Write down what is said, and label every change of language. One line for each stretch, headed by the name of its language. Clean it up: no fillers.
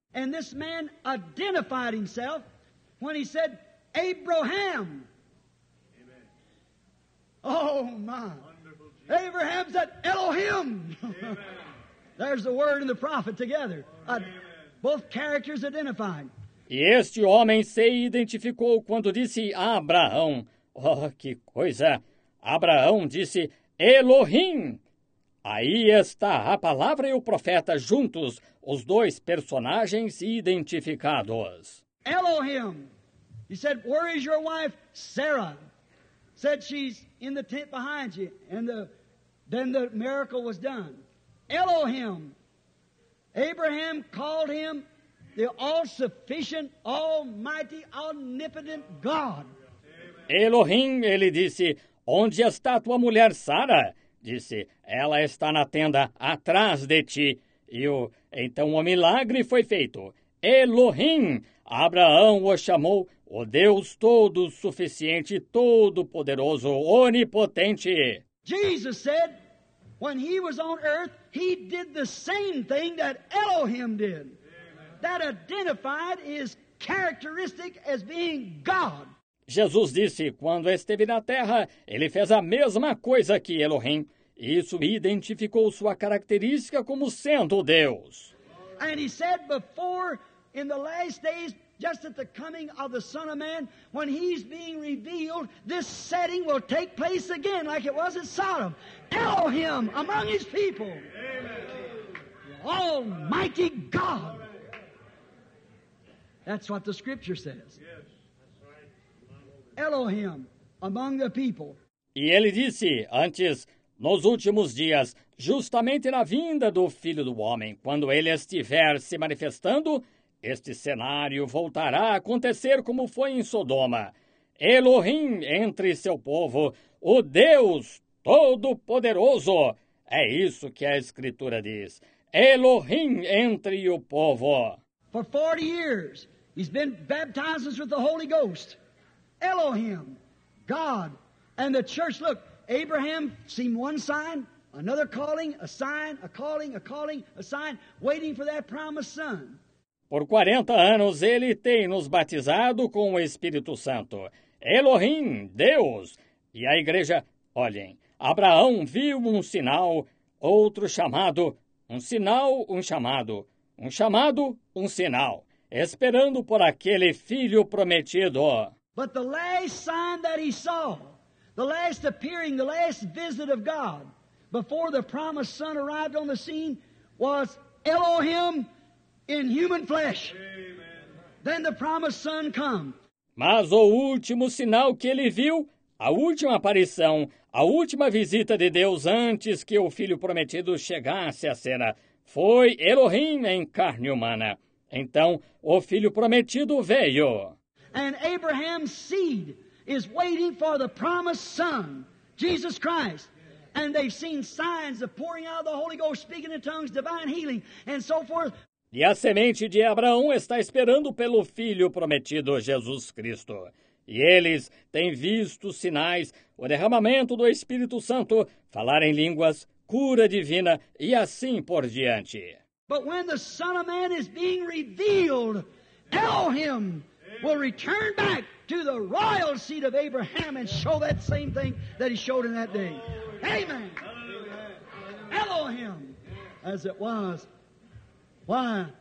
English: And this man identified himself when he said, Abraham. Amen. Oh, my. Abraham said, Elohim. There's the word and the prophet together. Both characters identified.
Portuguese: E este homem se identificou quando disse Abraão. Oh, que coisa! Abraão disse Elohim. Aí está a palavra e o profeta juntos, os dois personagens identificados. Elohim.
English: He said, "Where is your wife, Sarah?" Said, "She's in the tent behind you." And then the miracle was done. Elohim. Abraham called him the all-sufficient, almighty, omnipotent God.
Portuguese: Elohim, ele disse, "Onde está tua mulher, Sara?" Disse, "Ela está na tenda, atrás de ti." Então o milagre foi feito. Elohim, Abraão o chamou, o Deus Todo-Suficiente, Todo-Poderoso, Onipotente.
English: Jesus said, when he was on earth, he did the same thing that Elohim did. That identified his characteristic as being God.
Portuguese: Jesus disse, quando esteve na terra, ele fez a mesma coisa que Elohim. Isso identificou sua característica como sendo Deus.
English: And he said before, in the last days, just at the coming of the Son of Man, when he's being revealed, this setting will take place again like it was at Sodom. Elohim among his people. Amen. Almighty God. That's what the scripture says. Yes. Elohim among the people.
Portuguese: E ele disse, antes, nos últimos dias, justamente na vinda do Filho do Homem, quando ele estiver se manifestando, este cenário voltará a acontecer como foi em Sodoma. Elohim entre seu povo, o Deus Todo-Poderoso. É isso que a Escritura diz. Elohim entre o povo.
English: For 40 years, he's been baptized with the Holy Ghost. Elohim, God, and the church. Look, Abraham seemed one sign, another calling, a sign, a calling, a sign, waiting for that promised son.
Portuguese: Por 40 anos ele tem nos batizado com o Espírito Santo. Elohim, Deus. E a igreja, olhem, Abraão viu um sinal, outro chamado, um sinal, um chamado, um sinal, esperando por aquele filho prometido.
English: But the last sign that he saw, the last appearing, the last visit of God before the promised son arrived on the scene was Elohim in human flesh. Amen. Then the promised son come.
Portuguese: Mas o último sinal que ele viu, a última aparição, a última visita de Deus antes que o filho prometido chegasse à cena, foi Elohim em carne humana. Então, o filho prometido veio.
English: And Abraham's seed is waiting for the promised son, Jesus Christ. And they've seen signs of pouring out of the Holy Ghost, speaking in tongues, divine healing, and so forth.
Portuguese: E a semente de Abraão está esperando pelo filho prometido, Jesus Cristo. E eles têm visto sinais, o derramamento do Espírito Santo, falar em línguas, cura divina, e assim por diante.
English: But when the Son of Man is being revealed, Elohim will return back to the royal seat of Abraham and show that same thing that he showed in that day. Amen. Hallelujah. Elohim, as it was. Why?